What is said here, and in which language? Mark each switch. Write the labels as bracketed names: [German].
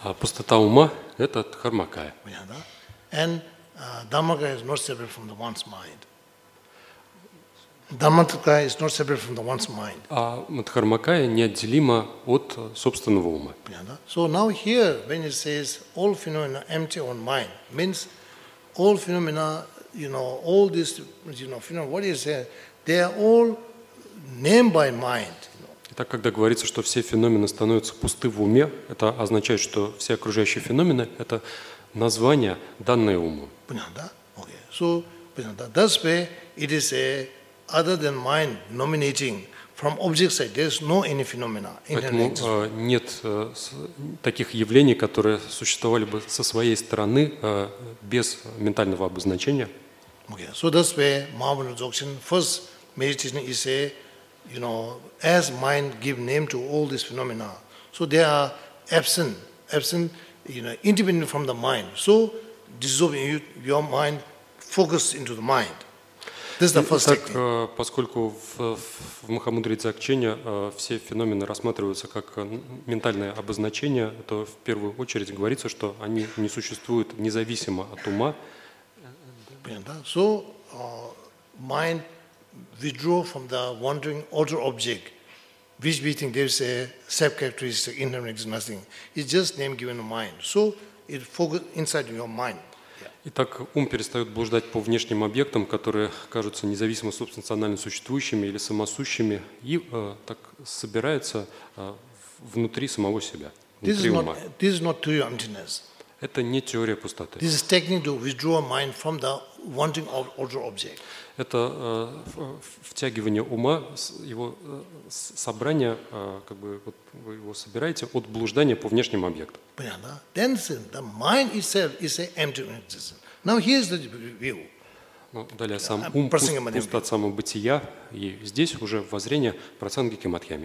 [Russian] А пустота ума это Дхармакая. Понятно? Да? [English] And Dhammakaya is not separate from the one's mind. Dhammakaya is not separate from the one's mind. [Russian] А Дхармакая неотделима от собственного ума. Понятно? [English] So now here, when it says all phenomena empty on mind, means all phenomena, you know, all these, you know, phenomena, what is there? They are all named by mind. [Russian] Итак, когда говорится, что все феномены становятся пусты в уме, это означает, что все окружающие феномены – это название, данное уму. Понятно, да? Okay. So, понятно. [English] That's why it is a other than mind nominating from object side, there is no any phenomena. [Russian] Поэтому нет таких явлений, которые существовали бы со своей стороны без ментального обозначения. [English] Okay, so that's why Mahamudra Dzogchen first meditation is a, you know, as mind give name to all these phenomena, so they are absent, you know, independent from the mind. So dissolve your mind, focus into the mind. [Russian] Так, поскольку в Махамудре Дзогчене все феномены рассматриваются как ментальное обозначение, то в первую очередь говорится, что они не существуют независимо от ума. [English] So mind withdraw from the wandering other object, which we think there is a self-characteristic inherent is nothing. It's just name given mind. So it focus inside your mind. [Russian] Итак, ум перестает блуждать по внешним объектам, которые кажутся независимо субстанционально существующими или самосущими, и так собирается внутри самого себя, внутри ума. [English] This is not true emptiness. [Russian] Это не теория пустоты. [English] This is technique to withdraw mind from the wanting of other object. [Russian] Это втягивание ума, его собрание, как бы вот вы его собираете от блуждания по внешним объектам. Понятно? [English] Then the mind itself is an empty existence. Now here's the view. [Russian] Ну, далее сам ум пуст от самобытия, и здесь уже воззрение Прасангики Мадхьями.